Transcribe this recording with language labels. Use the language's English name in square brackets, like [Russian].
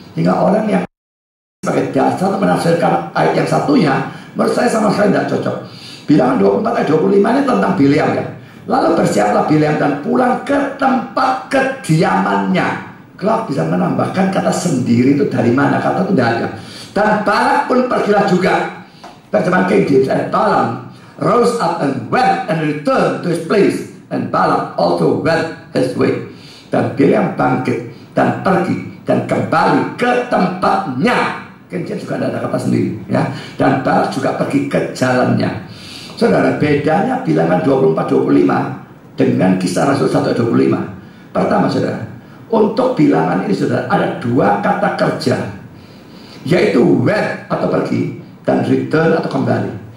[Indonesian] Hingga orang yang sebagai dasar menafsirkan ayat yang satunya, menurut saya sama sekali tidak cocok. Bilangan 24:25 ini tentang Bileam ya. Lalu bersiaplah Bileam dan pulang ke tempat kediamannya. Kalau bisa menambahkan kata sendiri itu dari mana? Kata itu tidak ada. Dan Balak pun pergilah juga. Terjemahan [English] King James, Balak rose up and went and returned to his place, and Balak also went his way. [Indonesian] Dan Bileam bangkit dan pergi dan kembali ke tempatnya. Kencian juga ada kata sendiri ya. Dan Balak juga pergi ke jalannya. Saudara, bedanya Bilangan 24:25 dengan Kisah Rasul 1:25. Pertama, saudara, untuk Bilangan ini, saudara, ada dua kata kerja, yaitu went atau pergi dan return atau kembali.